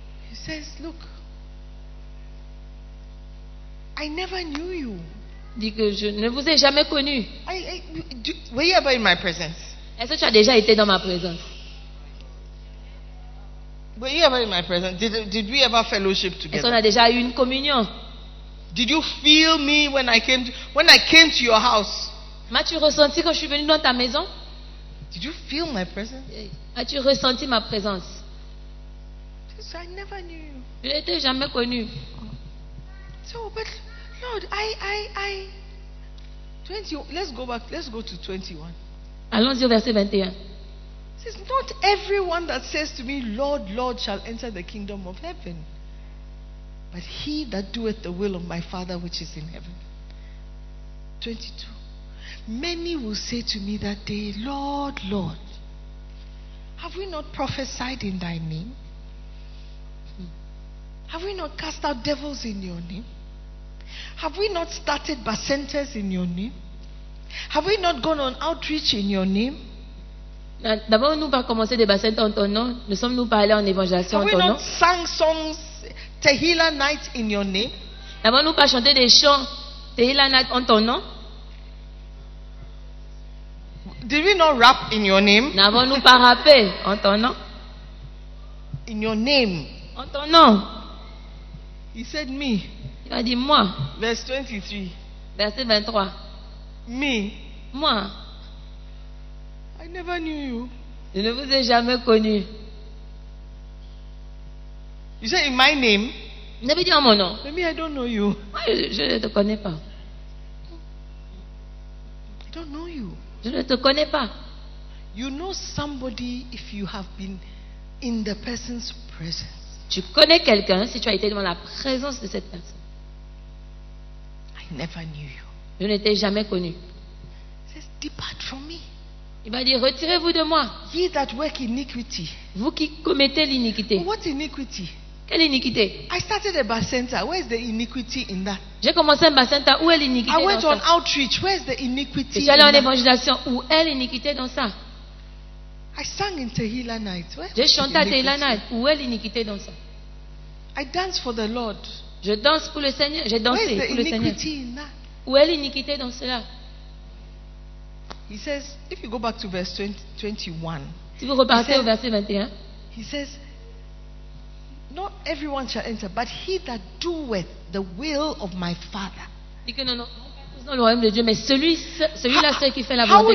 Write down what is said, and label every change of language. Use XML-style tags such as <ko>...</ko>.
<en>He says, look, I never knew you.</en> <fr>Dit que je ne vous ai jamais connu.</fr> <en>Were you ever in my presence?</en> <fr>Est-ce que tu as déjà été dans ma présence?</fr> <en>Were you ever in my presence? Did we ever fellowship together?</en> <fr>Est-ce qu'on a déjà eu une communion?</fr> <en>Did you feel me when I came to your house?</en> <fr>M'as-tu ressenti quand je suis venu dans ta maison?</fr> <en>Did you feel my presence?</en> <fr>As-tu ressenti ma présence?</fr> <en>So I never knew you.</en> <fr>Je n'étais jamais connu.</fr> <en>So, but Lord, I. 20. Let's go back. Let's go to 21.</en> <fr>Allons-y au verset 21.</fr> <en>It says, not everyone that says to me, Lord, Lord, shall enter the kingdom of heaven, but he that doeth the will of my Father which is in heaven. 22. Many will say to me that day, Lord, Lord, have we not prophesied in thy name? Have we not cast out devils in your name? Have we not started basenters in your name? Have we not gone on outreach in your name?</en> <fr>D'abord, nous pas commencé des basenters en ton nom. Ne sommes-nous pas allés en évangélisation en ton nom?</fr> <en>Have we not sang songs Tehila night in your name?</en> <fr>D'abord, nous pas chanté des chants Tehila night en ton nom?</fr> <en>Did we not rap in your name?</en> <fr>N'avons-nous pas rappé en ton nom?</fr> <en>In your name.</en> <fr>En ton nom.</fr> <en>He said me.</en> <fr>Il a dit moi.</fr> <en>Verse 23.</en> <fr>Verset 23.</fr> <en>Me.</en> <fr>Moi.</fr> <en>I never knew you.</en> <fr>Je ne vous ai jamais connu.</fr> <en>You said in my name.</en> <fr>Vous avez dit en mon nom.</fr> <en>But me, I don't know you.</en> <fr>Moi, je ne te connais pas.</fr> <en>I don't know you.</en> <fr>Je ne te connais pas.</fr> <en>You know somebody if you have been in the person's presence.</en> <fr>Tu connais quelqu'un si tu as été devant la présence de cette personne.</fr> <en>I never knew you.</en> <fr>Je ne t'ai jamais connu.</fr> <en>It says, Depart from me.</en> <fr>Il va dire, retirez-vous de moi.</fr> <en>Ye that work iniquity.</en> <fr>Vous qui commettez l'iniquité.</fr> <en>What iniquity?</en> <fr>Quelle iniquité?</fr> <en>I started a bar center. Where is the iniquity in that?</en> <fr>J'ai commencé un bar center. Où est l'iniquité dans ça?</fr> <en>I went on outreach. Where is the iniquity?</en> <fr>Je suis allé en évangélisation. Où est l'iniquité dans ça?</fr> <en>I sang in Tehila night.</en> <fr>J'ai chanté à Tehila night. Où est l'iniquité dans ça?</fr> <en>I dance for the Lord.</en> <fr>Je danse pour le Seigneur. J'ai dansé pour le Seigneur.</fr> <en>Where is the iniquity in that?</en> <fr>Où est l'iniquité dans cela?</fr> <en>He says, if you go back to verse 21.</en> <fr>Si vous repartez au verset 21.</fr> <en>He says, not everyone shall enter, but he that doeth the will of my Father.</en> <fr>Il dit que non, dans le royaume de Dieu, mais celui-là seul qui fait la volonté</fr>